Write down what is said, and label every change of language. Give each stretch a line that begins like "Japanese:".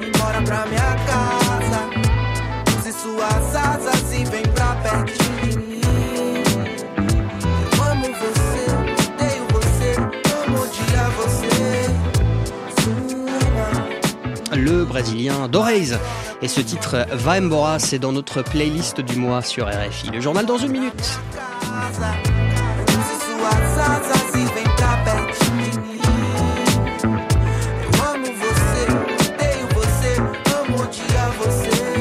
Portuguese: Embora pra minha casa. Suas asas e vem pra pertinho de mim. Eu amo você, odeio você, amo odiar você.
French: Le Brésilien Doreys. Et ce titre Va Embora, c'est dans notre playlist du mois sur RFI. Le journal dans une minute.
Portuguese: Suas asas e vem pra pertinho de mim. Eu amo você, odeio você, amo odiar você.